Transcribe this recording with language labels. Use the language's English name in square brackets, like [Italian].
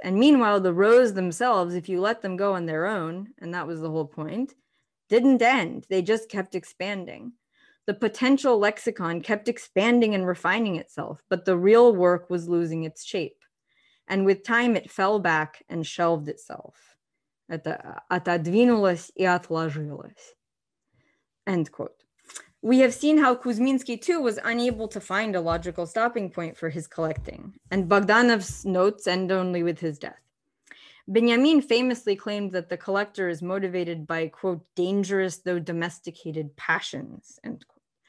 [English] And meanwhile, the rows themselves, if you let them go on their own, and that was the whole point, didn't end. They just kept expanding. The potential lexicon kept expanding and refining itself, but the real work was losing its shape. And with time, it fell back and shelved itself. [Russian] Отодвинулось и отложилось." [English] End quote. We have seen how Kuzminsky too was unable to find a logical stopping point for his collecting, and Bogdanov's notes end only with his death. Benjamin famously claimed that the collector is motivated by, quote, "dangerous though domesticated passions," end quote.